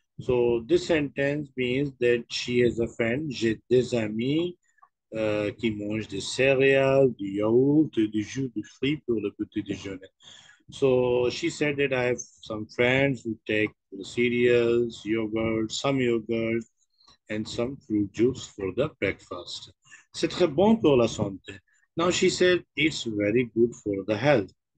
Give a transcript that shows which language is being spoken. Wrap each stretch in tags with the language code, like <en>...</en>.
<en>So this sentence means that she has a friend.</en> <fr>J'ai des amis qui mangent des céréales, du yaourt, et du jus de fruits pour le petit déjeuner.</fr> <en>So she said that I have some friends who take cereals, yogurt, some yogurt, and some fruit juice for the breakfast.</en> <fr>C'est très bon pour la santé.</fr> <en>Now she said it's very good for the health.</en>